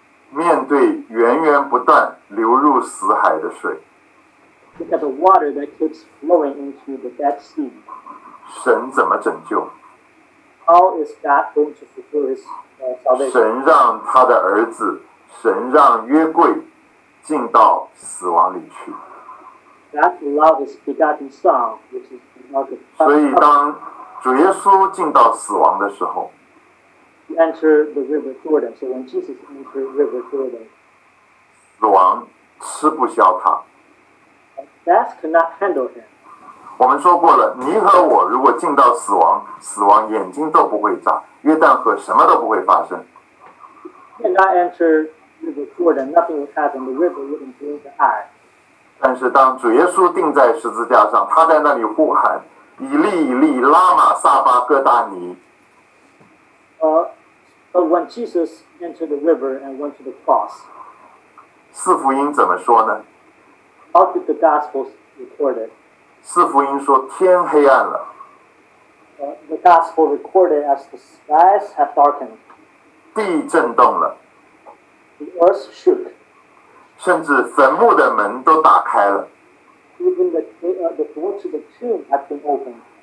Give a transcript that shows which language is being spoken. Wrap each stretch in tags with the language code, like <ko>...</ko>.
<zh>面对源源不断流入死海的水。</zh> <en>Look at the water that keeps flowing into the Dead Sea.</en> <zh>神怎么拯救？</zh> <en>How is God going to fulfill his salvation?</en> <zh>神让他的儿子，神让约柜进到死亡里去。</zh> <en>God allowed his begotten son, which is the Ark.</en> <zh>所以当主耶稣进到死亡的时候，</zh> <en>He entered the river Jordan. So when Jesus entered the river Jordan,</en> <zh>死亡吃不消他。</zh> <en>Death cannot handle him.</en> <zh>我们说过了，你和我如果进到死亡，死亡眼睛都不会眨，约旦河什么都不会发生。</zh> <en>And I enter the Jordan, nothing would happen. The river wouldn't blink an eye.</en> <zh>但是当主耶稣钉在十字架上，他在那里呼喊，以利以利，拉玛撒巴哥大尼。</zh> <en>But when Jesus entered the river and went to the cross,</en> <zh>四福音怎么说呢？</zh> <en>How did the Gospels record it?</en> <zh>四福音说天黑暗了。</zh> <en>The Gospel recorded as the skies have darkened.</en> <zh>地震动了。</zh> <en>The earth shook.</en> <zh>甚至坟墓的门都打开了。</zh> <en>Even the door to the tomb had been opened.</en>